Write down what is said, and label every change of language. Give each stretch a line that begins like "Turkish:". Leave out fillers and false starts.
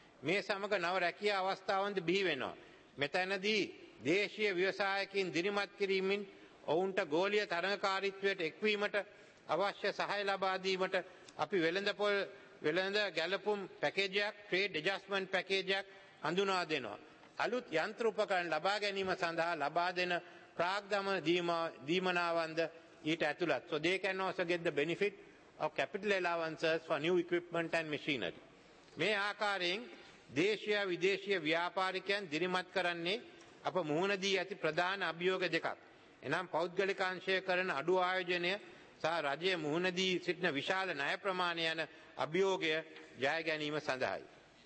Sinhala: මේ සමග නව රැකියා අවස්ථාවන්ද බිහි වෙනවා. මෙතැනදී දේශීය ව්‍යවසායකින් දිරිමත් කිරීමෙන් ඔවුන්ට ගෝලීය තරඟකාරීත්වයට එක්වීමට අවශ්‍ය සහාය ලබා දීමට අපි වෙළඳපොළ වෙළඳ ගැලපුම් පැකේජයක් ට්‍රේඩ් ඇඩ්ජස්ට්මන්ට් පැකේජයක් හඳුනා දෙනවා. අලුත් යන්ත්‍ර උපකරණ ලබා ගැනීම සඳහා ලබා දෙන ප්‍රාග්ධමන දීමනාවන්ද ඊට ඇතුළත්.
English: So they can also get the benefit of capital allowances for new equipment and machinery.
Sinhala: මේ ආකාරයෙන් දේශීය විදේශීය ව්‍යාපාරිකයන් දිරිමත් කරන්නේ අප මුහුණ දී ඇති ප්‍රධාන අභියෝග දෙකක්. එනම් පෞද්ගලික අංශය කරන අඩු ආයෝජනය සහ රජයේ මුහුණ දී සිටින විශාල ණය ප්‍රමාණය යන අභියෝගය ජය ගැනීම සඳහායි.